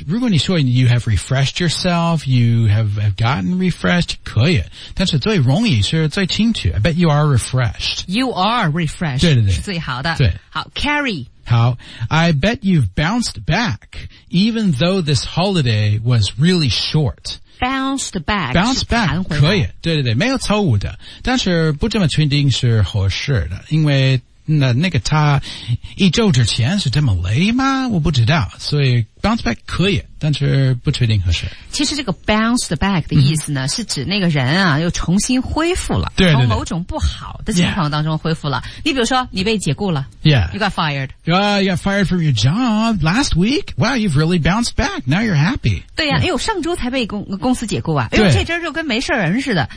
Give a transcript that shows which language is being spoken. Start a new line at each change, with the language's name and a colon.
English: 如果你说 you have refreshed yourself, you have gotten refreshed,
Chinese: 可以。但是最容易是最清楚。
English: I bet you are refreshed. You are refreshed.
Chinese: 对。是最好的。对。好 ,carry.
English: How, I bet you've bounced back, even though this holiday was really short. Bounced back. Bounced back,
Chinese: 可以。对。没有错误的。但是不这么确定是合适的。因为那个他一周之前是这么累吗我不知道。所以 bounce back 可以但是不确定合适。其实这个 bounced back 的意思呢是指那个人啊又重新恢复了。对。从某种不好的情况当中恢复了。
English: Yeah.
Chinese: 你比如说你被解雇了。
English: Yeah. You got fired. You got fired from your job last week. Wow, you've really bounced back. Now you're happy.
Chinese: 对呀、哎呦上周才被公司解雇啊。哎呦这周就跟没事人似的。